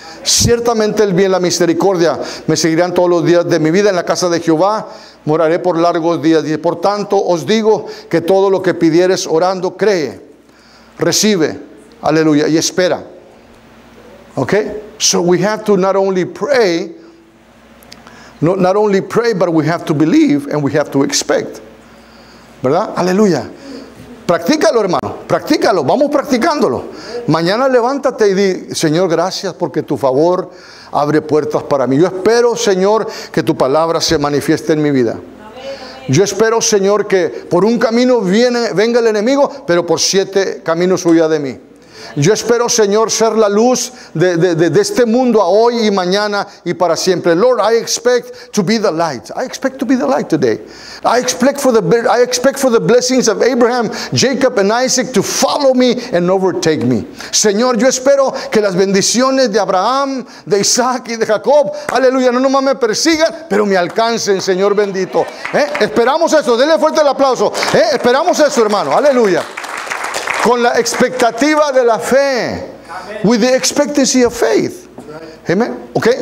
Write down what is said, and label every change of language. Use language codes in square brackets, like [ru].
[es] Ciertamente el bien, la misericordia me seguirán todos los días de mi vida. En la casa de Jehová moraré por largos días. Y por tanto os digo que todo lo que pidieres orando, cree, recibe, aleluya, y espera. [en] Ok, so we have to not only pray, but we have to believe and we have to expect, [es] ¿verdad? [en] Aleluya. [es] Practícalo, hermano. Practícalo. Vamos practicándolo. Mañana levántate y di: Señor, gracias porque tu favor abre puertas para mí. Yo espero, Señor, que tu palabra se manifieste en mi vida. Yo espero, Señor, que por un camino venga el enemigo, pero por siete caminos huya de mí. Yo espero, Señor, ser la luz de este mundo a hoy y mañana y para siempre. [en] Lord, I expect to be the light. I expect to be the light today. I expect for the blessings of Abraham, Jacob and Isaac to follow me and overtake me. [es] Señor, yo espero que las bendiciones de Abraham, de Isaac y de Jacob, aleluya, no nomás me persigan, pero me alcancen, Señor bendito. Esperamos eso. Denle fuerte el aplauso. Esperamos eso, hermano. Aleluya. Con la expectativa de la fe. Amen. [en] With the expectancy of faith. [es] Amen. Okay.